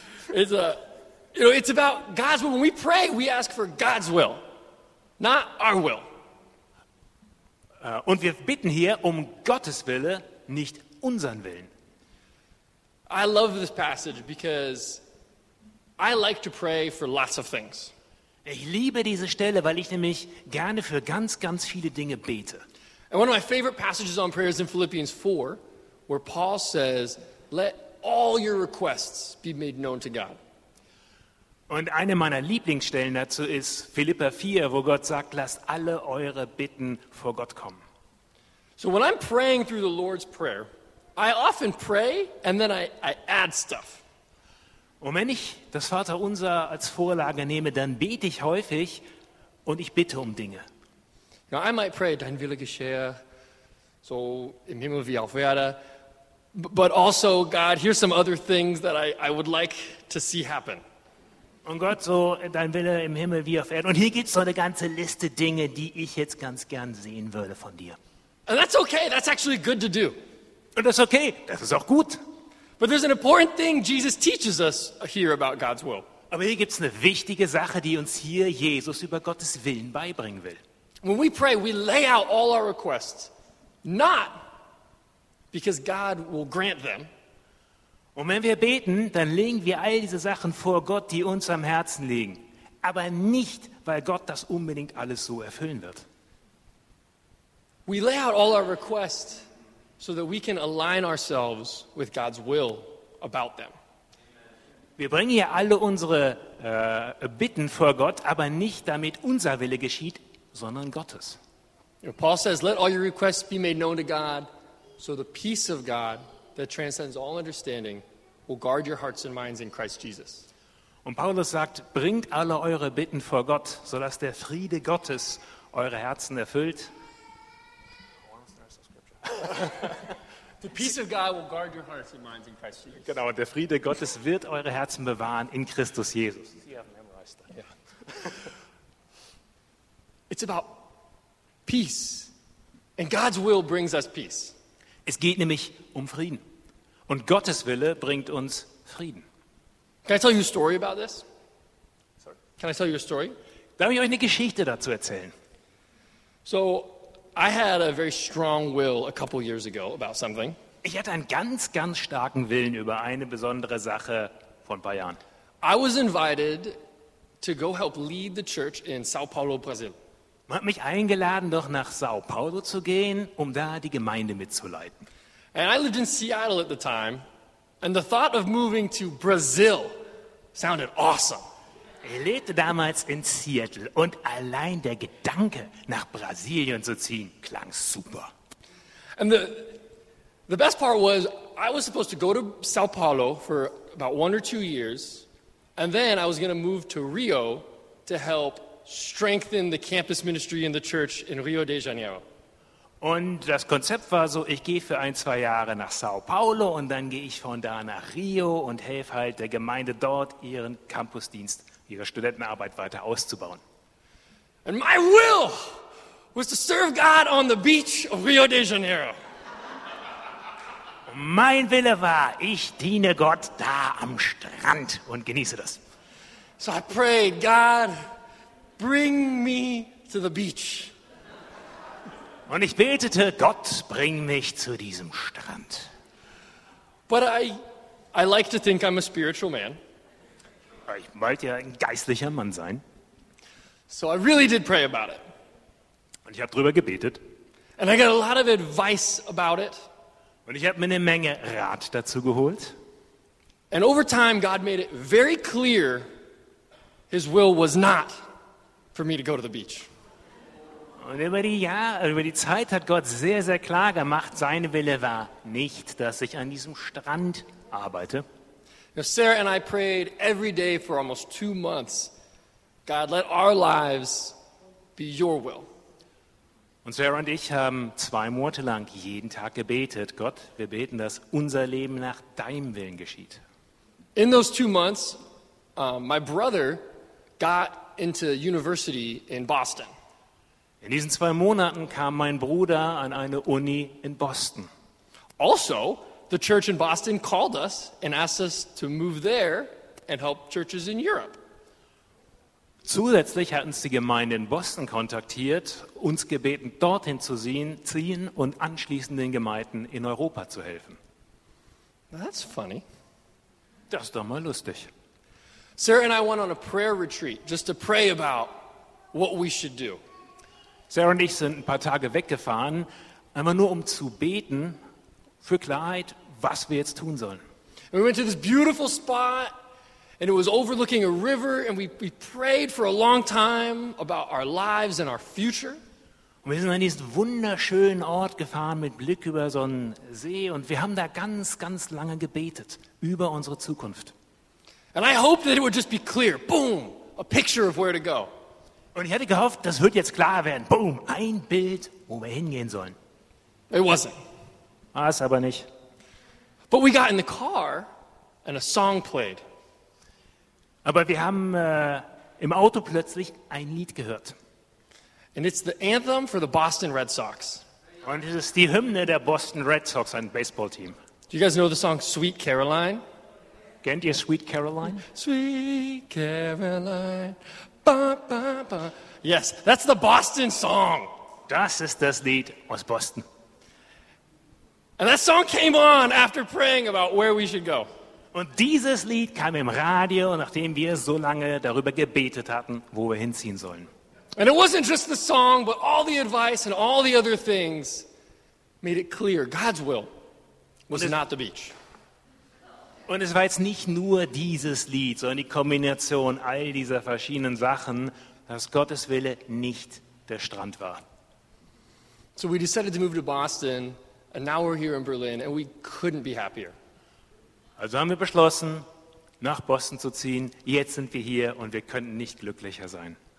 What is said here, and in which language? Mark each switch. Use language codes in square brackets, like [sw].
[en] it's a, you know, it's about God's will. When we pray, we ask for God's will, not our will. [de] Und wir bitten hier um Gottes Wille, nicht unseren Willen. [en] I love this passage because I like to pray for lots of things. [de] Ich liebe diese Stelle, weil ich nämlich gerne für ganz, ganz viele Dinge bete. [en] And one of my favorite passages on prayer is in Philippians 4, where Paul says, let all your requests be made known to God. [de] Und eine meiner Lieblingsstellen dazu ist Philipper 4, wo Gott sagt, lasst alle eure Bitten vor Gott kommen. [en] So when I'm praying through the Lord's Prayer, I often pray and then I add stuff. [de] Und wenn ich das Vaterunser als Vorlage nehme, dann bete ich häufig und ich bitte um Dinge. [en] Now I might pray, [de] dein Wille geschehe, so im Himmel wie auf Erde. [en] But also, God, here's some other things that I would like to see happen. [de] Und Gott, so dein Wille im Himmel wie auf Erden. Und hier gibt's so eine ganze Liste Dinge, die ich jetzt ganz gern sehen würde von dir. [en] And that's okay. That's actually good to do. [de] Und das ist okay. Das ist auch gut. [en] But there's an important thing Jesus teaches us here about God's will. [de] Aber hier gibt's eine wichtige Sache, die uns hier Jesus über Gottes Willen beibringen will. [en] When we pray, we lay out all our requests, not because God will grant them. [de] Und wenn wir beten, dann legen wir all diese Sachen vor Gott, die uns am Herzen liegen. Aber nicht, weil Gott das unbedingt alles so erfüllen wird. [en] We lay out all our requests so that we can align ourselves with God's will about them. [de] Wir bringen hier alle unsere Bitten vor Gott, aber nicht damit unser Wille geschieht, sondern Gottes. [en] Paul says, let all your requests be made known to God, so the peace of God that transcends all understanding will guard your hearts and minds in Christ Jesus. [de] Und Paulus sagt, bringt alle eure Bitten vor Gott, sodass der Friede Gottes eure Herzen erfüllt. [en] The peace of God will guard your hearts and minds in Christ Jesus. [de] Genau, der Friede Gottes wird eure Herzen bewahren in Christus Jesus. [en] It's about peace. And God's will brings us peace. [de] Es geht nämlich um Frieden. Und Gottes Wille bringt uns Frieden. [en] Can I tell you a story about this? Sorry. Can I tell you a story? [de] Darf ich euch eine Geschichte dazu erzählen? [en] So, I had a very strong will a couple years ago about something. [de] Ich hatte einen ganz, ganz starken Willen über eine besondere Sache vor ein paar Jahren. [en] I was invited to go help lead the church in Sao Paulo, Brazil. [de] Man hat mich eingeladen, doch nach Sao Paulo zu gehen, um da die Gemeinde mitzuleiten. [en] And I lived in Seattle at the time. And the thought of moving to Brazil sounded awesome. [de] Ich lebte damals in Seattle und allein der Gedanke, nach Brasilien zu ziehen, klang super. [en] And the best part was, I was supposed to go to Sao Paulo for about 1 or 2 years, and then I was going to move to Rio to help strengthen the campus ministry in the church in Rio de Janeiro. [de] Und das Konzept war so, ich gehe für 1-2 Jahre nach Sao Paulo und dann gehe ich von da nach Rio und helfe halt der Gemeinde dort, ihren Campusdienst, ihre Studentenarbeit weiter auszubauen. [en] And my will was to serve God on the beach of Rio de Janeiro. [de] Und mein Wille war, ich diene Gott da am Strand und genieße das. [en] So I prayed, God, bring me to the beach. [de] Und ich betete, Gott, bring mich zu diesem Strand. [en] But I like to think I'm a spiritual man. [de] Ich wollte ja ein geistlicher Mann sein. [en] So I really did pray about it. [de] Und ich habe drüber gebetet. [en] And I got a lot of advice about it. [de] Und ich habe mir eine Menge Rat dazu geholt. [en] And over time God made it very clear his will was not for me to go to the beach. [de] Und über die Zeit hat Gott sehr, sehr klar gemacht, sein Wille war nicht, dass ich an diesem Strand arbeite. [en] Now Sarah and I prayed every day for almost 2 months. God, let our lives be your will. [de] Und Sarah und ich haben 2 Monate lang jeden Tag gebetet. Gott, wir beten, dass unser Leben nach deinem Willen geschieht. [en] In those 2 months, my brother got into university in Boston. [de] In diesen 2 Monaten kam mein Bruder an eine Uni in Boston. [en] Also, the church in Boston called us and asked us to move there and help churches in Europe. [de] Zusätzlich hat uns die Gemeinde in Boston kontaktiert, uns gebeten, dorthin zu ziehen und anschließend den Gemeinden in Europa zu helfen. [en] That's funny. [de] Das ist doch mal lustig. [en] Sarah and I went on a prayer retreat just to pray about what we should do. [de] Sarah und ich sind ein paar Tage weggefahren, einmal nur um zu beten für Klarheit, was wir jetzt tun sollen. [en] We went to this beautiful spot and it was overlooking a river and we prayed for a long time about our lives and our future. [de] Und wir sind an diesen wunderschönen Ort gefahren mit Blick über so einen See und wir haben da ganz, ganz lange gebetet über unsere Zukunft. [en] And I hoped that it would just be clear, boom, a picture of where to go. [de] Und ich hatte gehofft, das wird jetzt klar werden. Boom, ein Bild, wo wir hingehen sollen. [en] It wasn't. [de] War es aber nicht. [en] But we got in the car and a song played. [de] Aber wir haben im Auto plötzlich ein Lied gehört. [en] And it's the anthem for the Boston Red Sox. [de] Und es ist die Hymne der Boston Red Sox, ein Baseballteam. [en] Do you guys know the song Sweet Caroline? [de] Kennt ihr Sweet Caroline? [en] Sweet Caroline. Ba, ba, ba. Yes, that's the Boston song. [de] Das ist das Lied aus Boston. [en] And that song came on after praying about where we should go. [de] Und dieses Lied kam im Radio, nachdem wir so lange darüber gebetet hatten, wo wir hinziehen sollen. [en] And it wasn't just the song, but all the advice and all the other things made it clear God's will was not the beach. [de] Und es war jetzt nicht nur dieses Lied, sondern die Kombination all dieser verschiedenen Sachen, dass Gottes Wille nicht der Strand war. [en] So we decided to move to Boston, and now we're here in Berlin, and we couldn't be happier. [de] Also haben wir beschlossen, nach Boston zu ziehen. Jetzt sind wir hier und wir könnten nicht glücklicher sein.